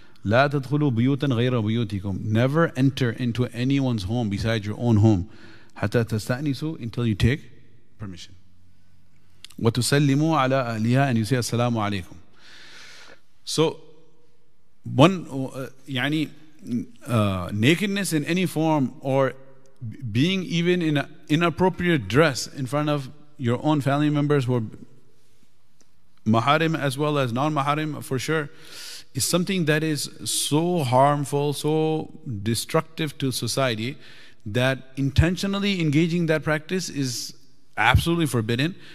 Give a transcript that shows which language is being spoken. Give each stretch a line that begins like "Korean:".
Arabic: لا تدخلوا بيوتا غير بيوتكم.
English: Never enter into anyone's home besides your own home.
Arabic: حتى تستأنسوا,
English: until you take permission.
Arabic: وتسلموا على أهلها,
English: and you say
Arabic: السلام عليكم.
English: So one nakedness in any form, or being even in an inappropriate dress in front of your own family members who are mahrim as well as non-mahrim, for sure, is something that is so harmful, so destructive to society, that intentionally engaging that practice is absolutely forbidden.